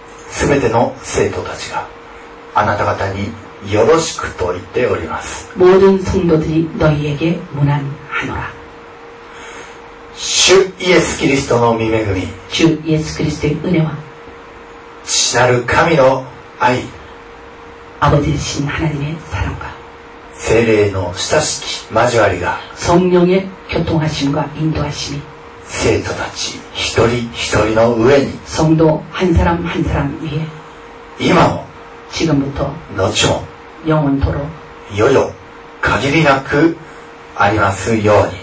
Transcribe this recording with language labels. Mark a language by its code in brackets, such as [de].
[ja] すべての生徒たちがあなた方によろしくと言っております。 [ko] 모든성도들이너희에게문안하노라。 [ja] 主イエスキリストの御恵み、主イエスキリストの恩は、父なる神の愛、 [ko] 아버지신하나님의사랑과、 [ja] 聖霊の親しき交わりが、 [ko] 성령의교통하심과인도하심이、 [ja] 生徒たち一人一人の上に、 [ko] 성도한사람한사람위에、 [ja] 今も、 [ko] 지금부터、 [ja] 後も、 [ko] 영원토록、 [ja] よよ、限りなくありますように、